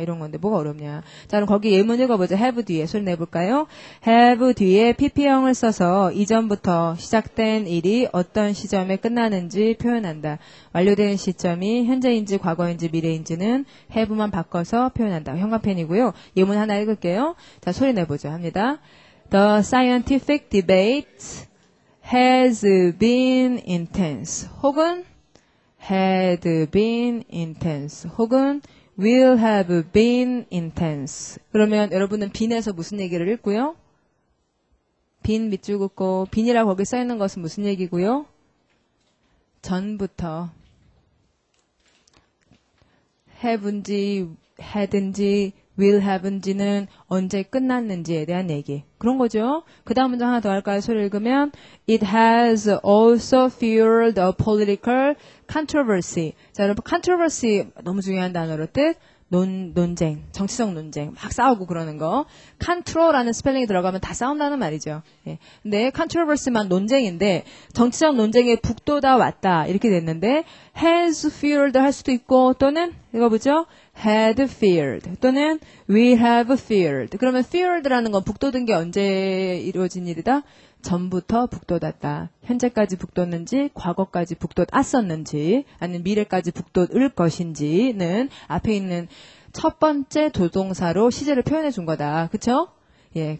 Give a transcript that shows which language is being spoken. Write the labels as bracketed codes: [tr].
[ko] 이런 건데 뭐가 어렵냐. 자, 그럼 거기 예문 읽어보자. 해브 뒤에 소리 내볼까요? 해브 뒤에 PP형을 써서 이전부터 시작된 일이 어떤 시점에 끝나는지 표현한다. 완료된 시점이 현재인지 과거인지 미래인지는 해브만 바꿔서 표현한다. 형광펜이고요. 예문 하나 읽을게요. 자, 소리 내보죠. 합니다. [en] The scientific debate has been intense. [ko] 혹은 [en] had been intense. [ko] 혹은 [en] will have been intense. [ko] 그러면 여러분은 been에서 무슨 얘기를 읽고요? been 밑줄 긋고, been이라고 거기 써있는 것은 무슨 얘기고요? 전부터. have인지, had인지, will have인지는 언제 끝났는지에 대한 얘기. 그런 거죠. 그 다음 문장 하나 더 할까요? 소리 읽으면 [en] It has also fueled a political controversy. [ko] 자, 여러분, controversy 너무 중요한 단어로 뜻. 논쟁, 정치적 논쟁, 막 싸우고 그러는 거. Contro라는 스펠링이 들어가면 다 싸운다는 말이죠. 예. 근데 Controversy만 논쟁인데 정치적 논쟁에 북돋아 왔다 이렇게 됐는데 Has fueled 할 수도 있고 또는 읽어보죠. [en] Had fueled [ko] 또는 [en] We have fueled. [ko] 그러면 fueled라는 건 북돋은 게 언제 이루어진 일이다? 전부터 북돋았다. 현재까지 북돋는지 과거까지 북돋았었는지 아니면 미래까지 북돋을 것인지는 앞에 있는 첫 번째 조동사로 시제를 표현해 준 거다. 그렇죠? 예.